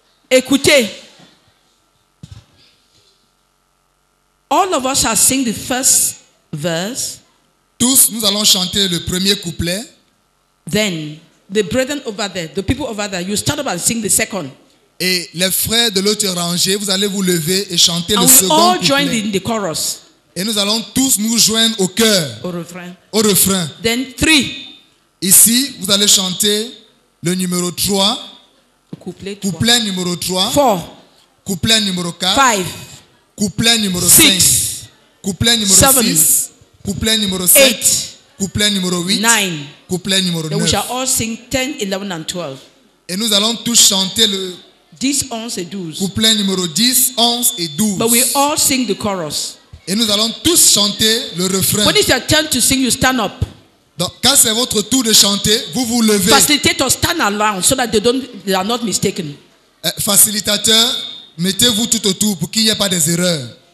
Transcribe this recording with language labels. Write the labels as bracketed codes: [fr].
[fr] Écoutez. [en] All of us shall sing the first verse. [fr] Tous, nous allons chanter le premier couplet. [en] Then, the brethren over there, the people over there, you stand up and sing the second. [fr] Et les frères de l'autre rangée, vous allez vous lever et chanter [en] and [fr] le second couplet. [en] And we all join in the chorus. [fr] Et nous allons tous nous joindre au chœur. Au refrain. Au refrain. [en] Then, three. [fr] Ici, vous allez chanter le numéro 3. Couplet, couplet numéro 3. [en] 4. [fr] Couplet numéro 4. [en] 5. [fr] Couplet numéro [en] 6, [fr] 5. Couplet numéro [en] 7, [fr] 6. Couplet numéro [en] 7. 8. [fr] Couplet numéro 8. [en] 9. [fr] Couplet numéro 9. [en] And we shall all sing 10, 11 and 12. [fr] Et nous allons tous chanter le 10, 11 et 12. Couplet numéro 10, 11 et 12. [en] But we all sing the chorus. [fr] Et nous allons tous chanter le refrain. [en] When it's your turn to sing, you stand up. [fr] Donc, quand c'est votre tour de chanter, vous vous levez. [en] Facilitator, stand around so that they are not mistaken. [fr] Facilitateur, mettez-vous tout autour pour qu'il n'y ait pas des erreurs.